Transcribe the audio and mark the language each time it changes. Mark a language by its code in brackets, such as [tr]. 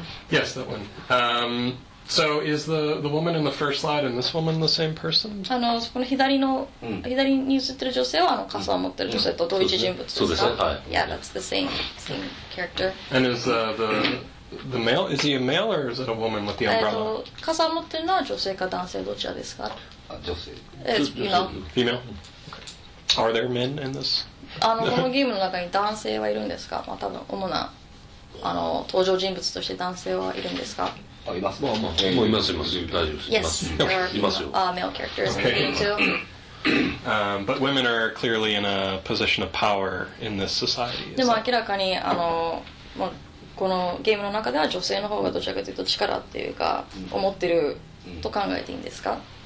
[en] Yes, that one. So is the woman in the first slide and this woman the same person? [ja] あの、この左に映ってる女性はあの傘を持ってる女性と同一人物ですか？そうですね。はい。 [en] Yeah, that's the same character. And is the male, is he a male or is it a woman with the umbrella? [ja] 傘を持ってるのは女性か男性どちらですか？女性。 [en] Female. Are there men in this? [ja] あの、このゲームの中に男性はいるんですか？まあ、多分主な。あの登場人物として男性はいるんですか？あ、います。まあまあ、もういますいます。大丈夫です。 [en] Yes, there are male characters in the game too. But women are clearly in a position of power in this society. [ja] でも明らかにあの、まあ、このゲームの中では女性の方がどちらかというと力っていうか思ってると考えていいんですか？